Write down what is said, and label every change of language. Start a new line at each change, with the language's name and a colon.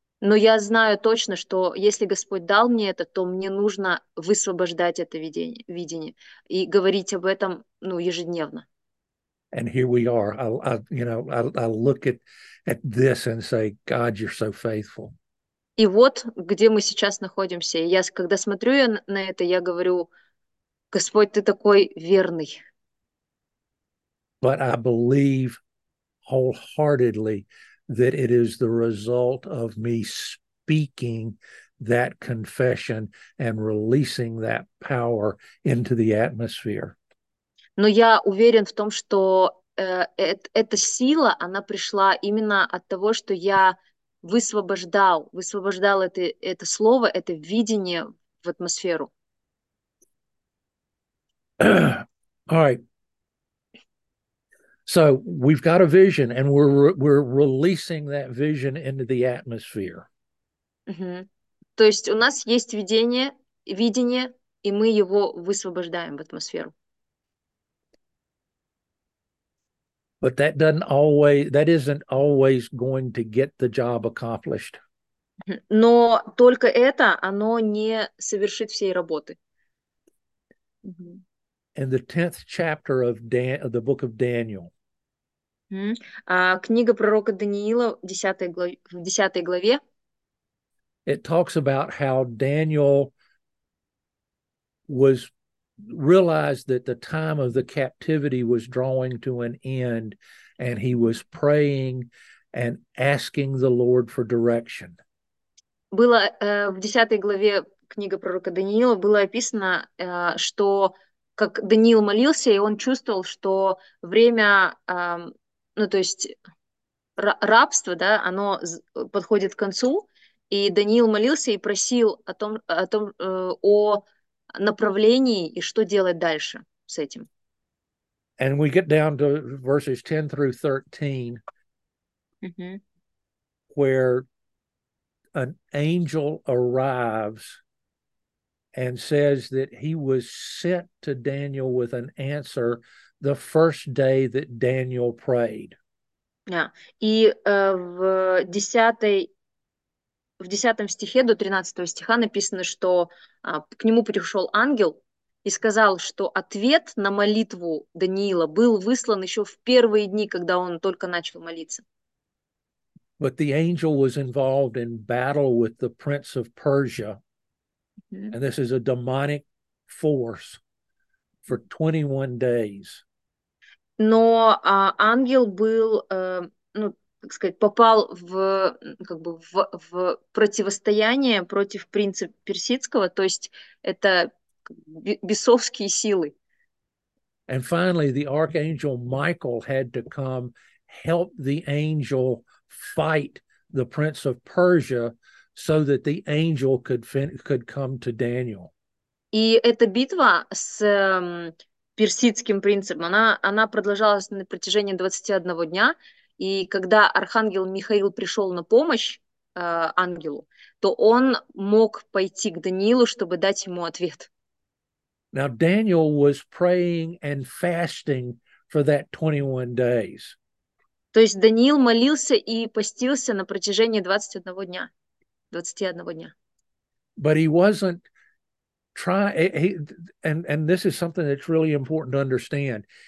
Russian: Но я знаю точно, что если Господь дал мне это, то мне нужно высвобождать это видение и говорить об этом, ну, ежедневно.
English: And here we are. I look at this and say, God, you're so faithful.
Russian: И вот где мы сейчас находимся. Я когда смотрю на это, я говорю, Господь, ты такой верный.
English: But I believe wholeheartedly that it is the result of me speaking that confession and releasing that power into the atmosphere.
Russian: Но я уверен в том, что эта сила, она пришла именно от того, что я высвобождал это слово, это видение в атмосферу.
English: All right. So we've got a vision, and we're releasing that vision into the atmosphere. Mm-hmm.
Russian: То есть у нас есть видение, и мы его высвобождаем в атмосферу.
English: But that isn't always going to get the job accomplished.
Russian: Но только это, оно не совершит всей работы.
English: In the 10th chapter of the book of Daniel.
Russian: Книга пророка Даниила в 10 главе.
English: It talks about how Daniel was realized that the time of the captivity was drawing to an end, and he was praying and asking the Lord for direction.
Russian: Было в 10 главе книги пророка Даниила было описано, что как Даниил молился, и он чувствовал, что время, ну, то есть рабство, да, оно подходит к концу, и Даниил молился и просил о направлении и что делать дальше с этим.
English: And we get down to verses 10 through 13, mm-hmm. where an angel arrives and says that he was sent to Daniel with an answer the first day that Daniel prayed. Yeah.
Russian: И в 10 стихе до 13 стиха написано, что к нему пришел ангел, и сказал, что ответ на молитву Даниила был выслан еще в первые дни, когда он только начал молиться.
English: But the angel was involved in battle with the prince of Persia. And this is a demonic force for 21 days.
Russian: Но ангел был, ну, так сказать, попал в, как бы в противостояние против принца персидского, то есть это бесовские силы.
English: And finally, the archangel Michael had to come help the angel fight the prince of Persia so that the angel could come to Daniel.
Russian: И эта битва с персидским принцем, она продолжалась на протяжении 21 дня, и когда архангел Михаил пришел на помощь ангелу, то он мог пойти к Даниилу, чтобы дать ему ответ.
English: Now Daniel was praying and fasting for that 21 days.
Russian: То есть Даниил молился и постился на протяжении 21 дня. 21 дня.
English: But he wasn't trying, and this is something that's really important to understand.